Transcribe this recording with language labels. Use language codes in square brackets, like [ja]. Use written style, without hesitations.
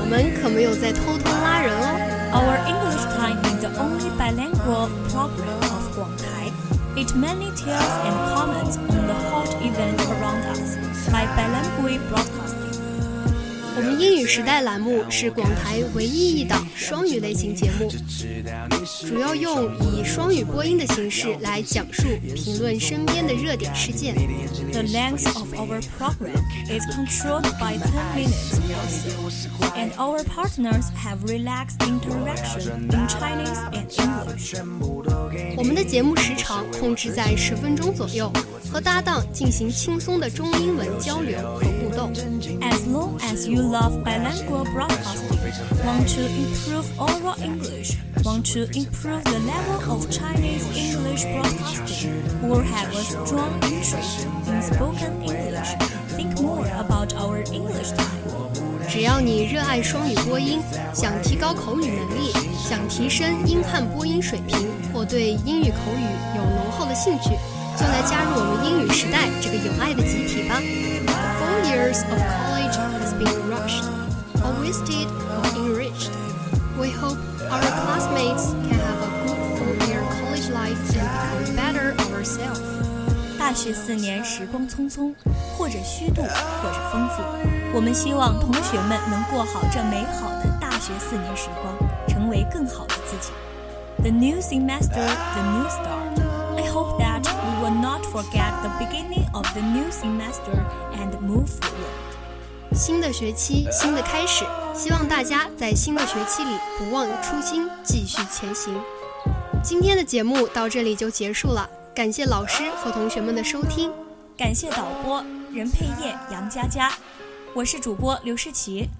[zh] 我们可没有在偷偷拉人哦。 [en] Our English Time is the only bilingual program of 广台。 It mainly tells and comments on the hot event around us by bilingual broadcasting。 [zh] 我们英语时代栏目是广台唯一一档双语类型节目，主要用以双语播音的形式来讲述评论身边的热点事件。 [en] The length of our program is controlled by 10 minutes and our partners have relaxed interaction in Chinese and English。 [zh] 我们的节目时长控制在10分钟左右，和搭档进行轻松的中英文交流和互动。 [en] As long as you love bilingual broadcasting, want to improve oral English, want to improve the level of Chinese English broadcasting, or have a strong interest in spoken English, think more about our English time。 [zh] 只要你热爱双语播音，想提高口语能力，想提升英汉播音水平，或对英语口语有浓厚的兴趣，就来加入我们英语时代这个有爱的集体吧。 [en] 4 years of college has been rushed or wasted or enriched. We hope our classmates can have a good 4-year college life and become better ourselves. [zh] 大学四年时光匆匆，或者虚度，或者丰富，我们希望同学们能过好这美好的大学四年时光，成为更好的自己。 [en] The new semester, the new start. I hope that we will not forget the beginning of the new semester and move forward. [zh] 新的学期，新的开始，希望大家在新的学期里不忘初心，继续前行。今天的节目到这里就结束了，感谢老师和同学们的收听，感谢导播任佩叶、杨佳佳，我是主播刘诗琪，